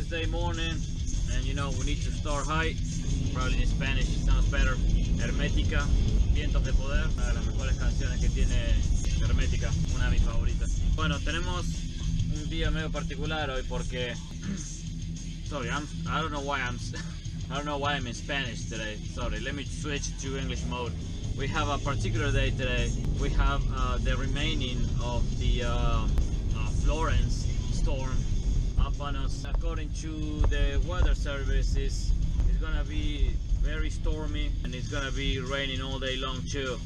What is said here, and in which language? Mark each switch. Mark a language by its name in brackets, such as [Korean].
[English] morning, and you know, we need to start high. Probably in Spanish it sounds better. [Spanish] Hermética, Vientos de Poder, una de las mejores canciones que tiene Hermética, una de mis favoritas. Bueno, tenemos un día medio particular hoy porque... [English] Sorry, I don't know why I'm in Spanish today. Sorry, let me switch to English mode. We have a particular day today. We have the remaining of the Florence storm up on us. According to the weather services, it's gonna be very stormy and it's gonna be raining all day long too.